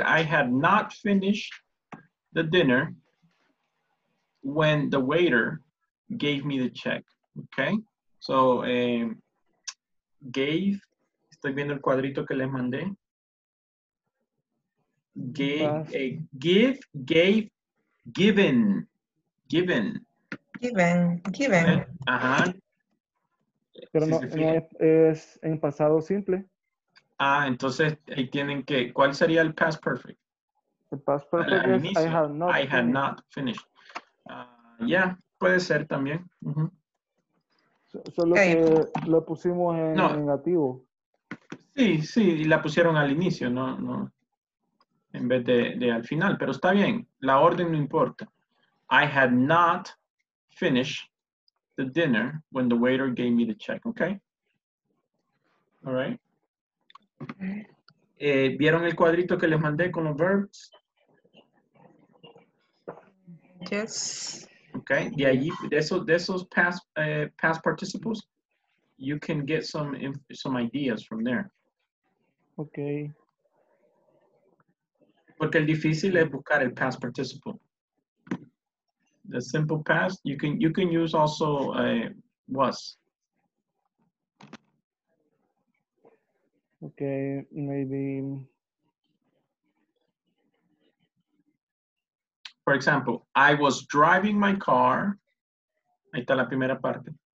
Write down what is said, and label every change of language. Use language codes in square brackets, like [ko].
[en] I had not finished the dinner when the waiter gave me the check. Okay, so [es] gave, estoy viendo el cuadrito que les mandé. [en] Gave, give, gave, given, given. Given, given. Ajá. [es] Pero no es en pasado simple. Ah, entonces ahí tienen que. ¿Cuál sería el past perfect? El past perfect. Al inicio, [en] is, I have not finished. [es] Yeah, puede ser también. Uh-huh. Solo okay. Que lo pusimos en negativo. Sí, y la pusieron al inicio, no. en vez de al final, pero está bien, la orden no importa. [en] I had not finished the dinner when the waiter gave me the check, okay? All right. [es] ¿Vieron el cuadrito que les mandé con los verbs? [en] Yes. Okay, [es] de allí, de esos [en] past participles, you can get some ideas from there. Okay. [es] Porque el difícil es buscar el past participle. [en] The simple past, you can use also was. Okay, maybe. For example, I was driving my car. [es] Ahí está la primera parte.